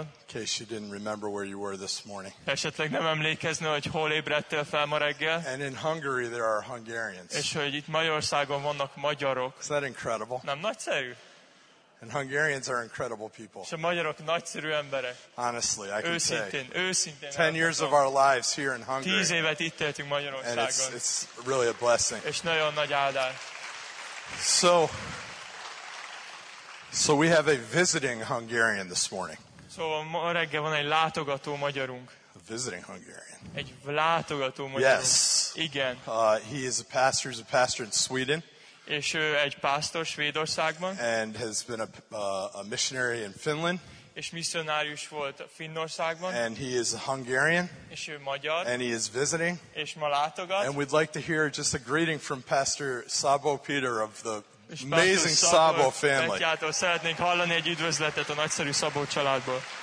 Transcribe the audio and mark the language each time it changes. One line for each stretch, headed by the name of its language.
English: In case you didn't remember where you were this morning.
Hungarian: Esetleg nem emlékezne, hogy hol ébredtél fel ma reggel.
English: And in Hungary there are Hungarians.
Hungarian: És hogy itt Magyarországon vannak magyarok.
English: Is that incredible?
Hungarian: Nem nagyszerű.
English: And Hungarians are incredible people.
Hungarian: És a magyarok nagyszerű emberek.
English: Honestly, I can
Hungarian: őszintén,
English: say.
Hungarian: Őszintén.
English: 10 years of our lives here in Hungary.
Hungarian: 10 évet itt éltünk Magyarországon.
English: And it's really a blessing.
Hungarian: És nagyon nagy áldás.
English: So we have a visiting Hungarian this morning.
Hungarian: So ma reggel van egy látogató magyarunk.
English: A visiting Hungarian.
Hungarian: Egy látogató magyarunk.
English: Yes.
Hungarian: Igen.
English: He is a pastor. He's a pastor in Sweden.
Hungarian: És ő egy pásztor Svédországban.
English: And has been a missionary in Finland.
Hungarian: És misszionárius volt Finnországban.
English: And he is a Hungarian.
Hungarian: És ő magyar.
English: And he is visiting.
Hungarian: És ma látogat.
English: And we'd like to hear just a greeting from Pastor Szabó Péter of the amazing Szabó family.
Hungarian: Petyától szeretnénk hallani egy üdvözletet a nagyszerű Szabó családból.